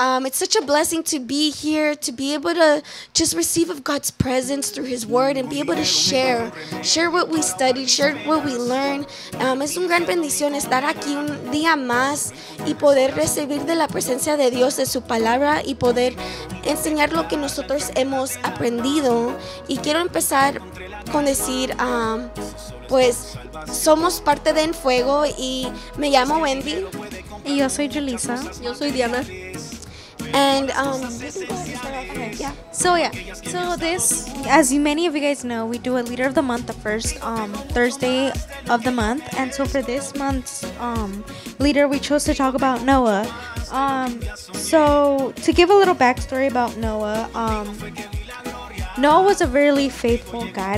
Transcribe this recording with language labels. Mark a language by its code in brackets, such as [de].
[en] It's such a blessing to be here, to be able to just receive of God's presence through His Word and be able to share what we studied, share what we learned. [es] Es un gran bendición estar aquí un día más y poder recibir de la presencia de Dios, de su palabra y poder enseñar lo que nosotros hemos aprendido. Y quiero empezar con decir, pues somos parte de En Fuego y me llamo Wendy. Y yo soy Jalisa. Yo soy Diana. [en] And as many of you guys know, we do a leader of the month the first Thursday of the month. And so for this month's leader, we chose to talk about Noah. So to give a little backstory about Noah, Noah was a really faithful guy.